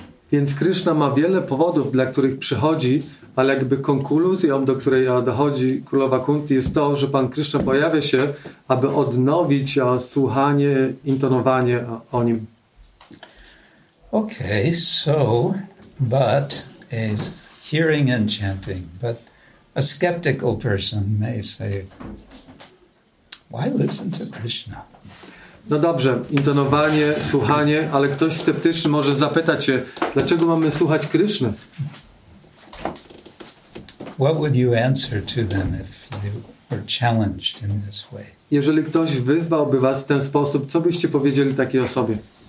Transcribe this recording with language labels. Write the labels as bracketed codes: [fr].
[pl] Więc Krishna ma wiele powodów, dla których przychodzi, ale jakby konkluzją, do której dochodzi królowa Kunti, jest to, że Pan Krishna pojawia się, aby odnowić słuchanie, intonowanie o nim. [en] Okay, so, but is hearing and chanting, but a skeptical person may say, why listen to Krishna? [pl] No dobrze, intonowanie, słuchanie, ale ktoś sceptyczny może zapytać się, dlaczego mamy słuchać Kryszny? [en] What would you answer to them if you were challenged in this way? [pl] Jeżeli ktoś wyzwałby was w ten sposób, co byście powiedzieli takiej osobie?